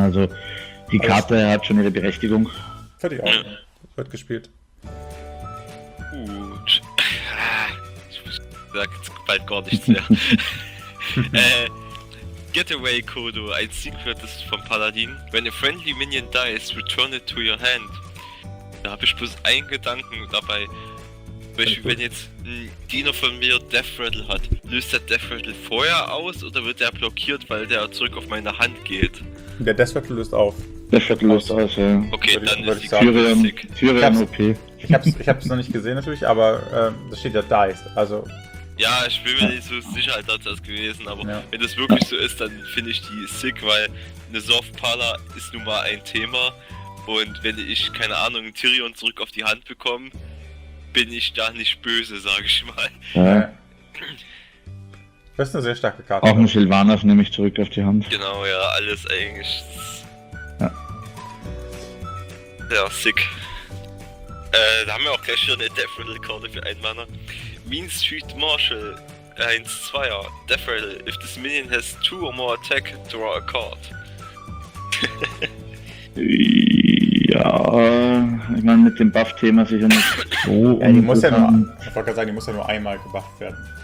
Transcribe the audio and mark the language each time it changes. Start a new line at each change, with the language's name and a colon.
German: Also die Karte hat schon ihre Berechtigung. Fertig auch. Wird gespielt. Gut. Ich sag jetzt bald gar nichts mehr. Getaway Kodo, ein Secret ist vom Paladin.
English: When a friendly Minion dies, return it to your hand.
German: Da habe ich bloß einen Gedanken dabei. Beispiel, wenn jetzt ein Diener von mir Deathrattle hat, löst der Deathrattle vorher aus oder wird der blockiert, weil der zurück auf meine Hand geht? Der Deathrattle löst auf. Deathrattle löst aus, ja. Okay, dann ist die Tyrion OP. Ich hab's noch nicht gesehen natürlich, aber da steht ja Dice, also... Ja, ich bin mir nicht so sicher, als das gewesen, aber wenn das wirklich so ist, dann finde ich die sick, weil eine Soft-Parler ist nun mal ein Thema und wenn ich, keine Ahnung, Tyrion zurück auf die Hand bekomme, bin ich da nicht böse, sag ich mal. Ja. Das ist eine sehr starke Karte. Auch ein Sylvanas nehme ich zurück auf die Hand. Genau, ja, alles eigentlich. Ja. Ja, sick. Da haben wir auch gleich wieder eine Deathrattle-Karte für einen Mana. Mean Street Marshal, 1-2er.
English: Deathrattle, if this minion has 2 or more attack, draw a card.
German: Ja, ich meine mit dem Buff-Thema sicher nicht so die muss ja nur einmal gebufft werden.